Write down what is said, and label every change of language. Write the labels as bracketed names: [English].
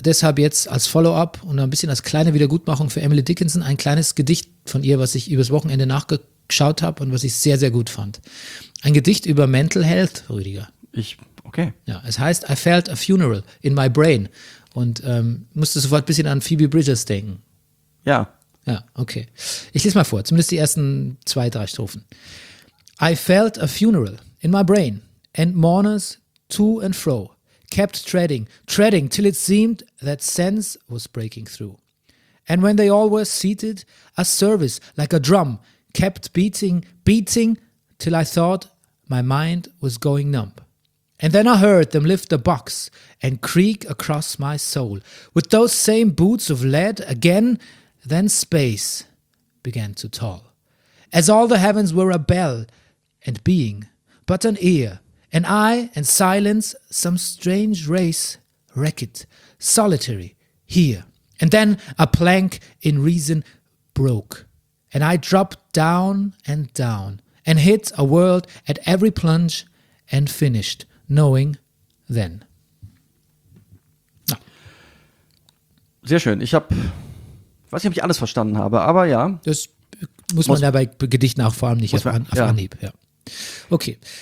[German] Deshalb jetzt als Follow-up und ein bisschen als kleine Wiedergutmachung für Emily Dickinson ein kleines Gedicht von ihr, was ich übers Wochenende nachgeschaut habe und was ich sehr, sehr gut fand. Ein Gedicht über Mental Health, Rüdiger. Ich, okay. Ja, es heißt [English] I felt a funeral in my brain. [German] Und musste sofort ein bisschen an Phoebe Bridgers denken. Ja. Ja, okay. Ich lese mal vor, zumindest die ersten 2-3 Strophen. [English] I felt a funeral in my brain, and mourners to and fro kept treading till it seemed that sense was breaking through. And when they all were seated, a service like a drum kept beating till I thought my mind was going numb. And then I heard them lift a box and creak across my soul with those same boots of lead again. Then space began to toll, as all the heavens were a bell. And being, but an ear, an eye, and silence, some strange race, wrecked, solitary, here. And then a plank in reason broke, and I dropped down and down, and hit a world at every plunge, and finished, knowing then. [German] Sehr schön. Ich habe, weiß nicht, ob ich alles verstanden habe, aber ja. Das muss man dabei bei Gedichten auch vor allem nicht auf Anhieb. Ja. Okay.